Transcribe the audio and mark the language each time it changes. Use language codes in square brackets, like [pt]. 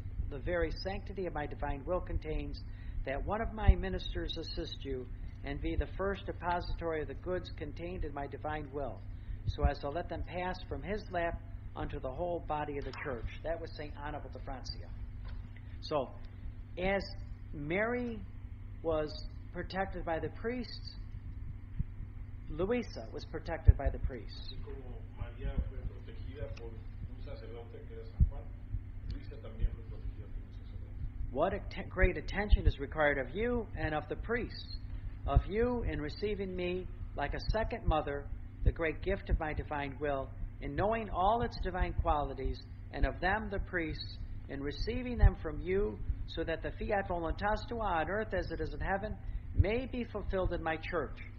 [en] the very sanctity of my divine will contains, that one of my ministers assist you and be the first depository of the goods contained in my divine will, so as to let them pass from his lap unto the whole body of the church. That was St. Honorable de Francia. So, as Mary was protected by the priests, Luisa was protected by the priests. [es] Así como María fue protegida por un sacerdote que era San Juan, Luisa también fue protegida por un sacerdote. [en] What great attention is required of you and of the priests, of you in receiving me like a second mother, the great gift of my divine will, in knowing all its divine qualities, and of them, the priests, in receiving them from you, so that the [la] fiat voluntas tua [en] on earth as it is in heaven may be fulfilled in my church.